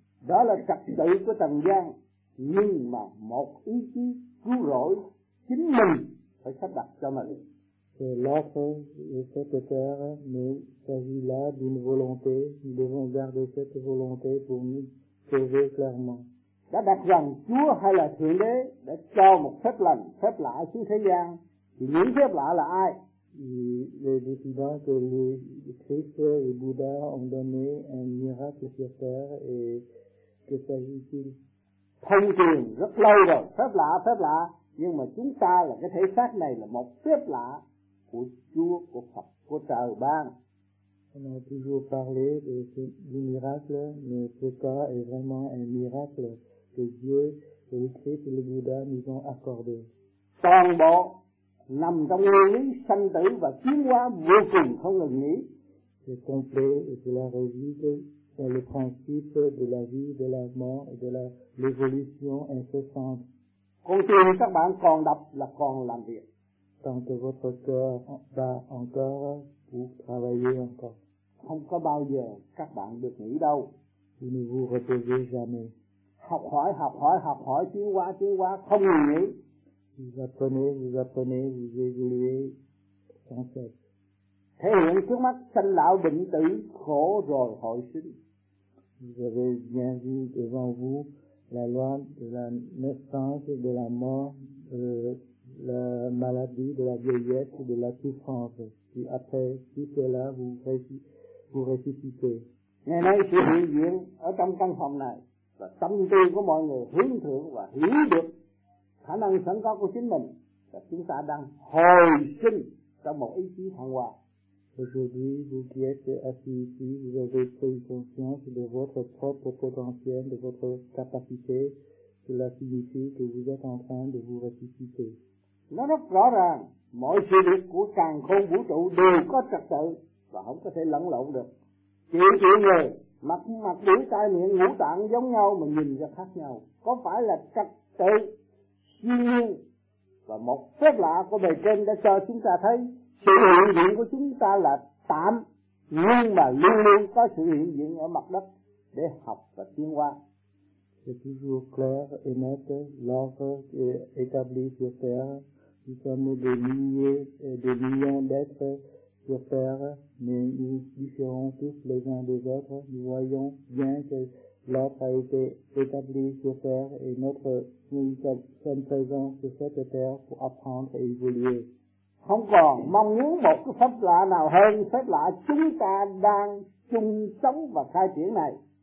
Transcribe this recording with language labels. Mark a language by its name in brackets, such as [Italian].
[Vietnamese] Đó là trật tự của tầng gian, nhưng mà một ý chí cứu rỗi chính mình phải sắp đặt cho mình. [French] C'est l'offre de cette terre, mais il s'agit là d'une volonté. Nous devons garder cette volonté pour nous sauver clairement. [Vietnamese] Đã đặt rằng Chúa hay là Thượng Đế đã cho một phép lành, phép lạ xuống thế gian, thì những phép lạ là ai? [French] Les décidants que le Christ et le Bouddha ont donné un miracle sur terre, et que s'agit-il? [Vietnamese] Thông truyền rất lâu rồi, phép lạ, phép lạ. Nhưng mà chúng ta là cái thể xác này là một phép lạ của Chúa, của Phật, của trời ban. [French] On a toujours parlé de ce miracle, mais ce corps est vraiment un miracle que Dieu, que le Christ et le Bouddha nous ont accordé. [Vietnamese] Toàn bộ nằm trong nguyên lý sanh tử và tiến hóa vô cùng không ngừng nghỉ. [French] C'est complet et cela réside dans le principe de la vie, de la mort et de la l'évolution incessante. [Vietnamese] Con tim các bạn còn đập là còn làm việc. [French] Tant que votre cœur bat encore, vous travaillez encore. [Vietnamese] Không có bao giờ các bạn được nghỉ đâu. [French] Vous ne vous reposez jamais. [Vietnamese] Học hỏi, học hỏi, học hỏi, tiến hóa, không ngừng nghỉ. [French] Vous apprenez, vous évoluez sans cesse. [Vietnamese] Thể hiện trước mắt sanh lão bệnh tử, khổ rồi hồi sinh. [French] Vous avez bien vu devant vous la loi de la naissance, de la mort, la maladie, de la vieillesse, de la souffrance. Puis après tout cela, vous ressuscitez. [Vietnamese] Ngày nay sự hiện diện ở trong căn phòng này là tâm tư của mọi người hướng thượng và hiểu được khả năng sẵn có của chính mình và chúng ta đang hồi sinh trong một ý chí thăng hoa. [French] Aujourd'hui, vous qui êtes assis ici, vous avez pris conscience de votre propre potentiel, de votre capacité. Cela signifie que vous êtes en train de vous ressusciter. [Vietnamese] Nó rất rõ ràng, mọi sự việc của càn khôn vũ trụ đều có trật tự và không có thể lẫn lộn được. Chỉ chuyện người mặt mũi tai miệng ngũ tạng giống nhau mà nhìn ra khác nhau, có phải là trật tự siêu nhiên và một phép lạ của bề trên đã cho chúng ta thấy sự hiện diện của chúng ta là tạm nhưng mà luôn luôn có sự hiện diện ở mặt đất để học và tiến hóa. [French] C'est toujours clair et net, l'ordre est établi sur Terre. Nous sommes des milliers et des millions d'êtres sur Terre, mais nous différons tous les uns des autres. Nous voyons bien que l'ordre a été établi sur Terre et notre, nous sommes présents sur cette Terre pour apprendre et évoluer. [Vietnamese] Không còn mong muốn một cái phép lạ nào hơn phép lạ chúng ta đang chung sống và khai triển này.